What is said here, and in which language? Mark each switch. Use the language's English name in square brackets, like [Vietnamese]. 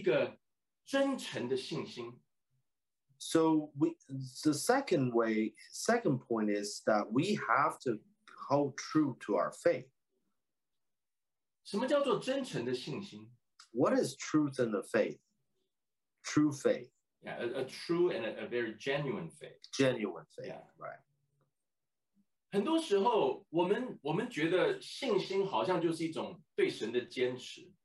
[Chinese] 第二，弟兄姐妹，第二，我们要能够什么？我们要秉持一个真诚的信心。 [English] So the second point is that we have to hold true to our faith. [Chinese] 什么叫做真诚的信心？ [English] What is truth in the faith? True faith. Yeah, a true and a very genuine faith. Genuine faith, yeah. Right. [Chinese] 很多时候我们觉得信心好像就是一种对神的坚持。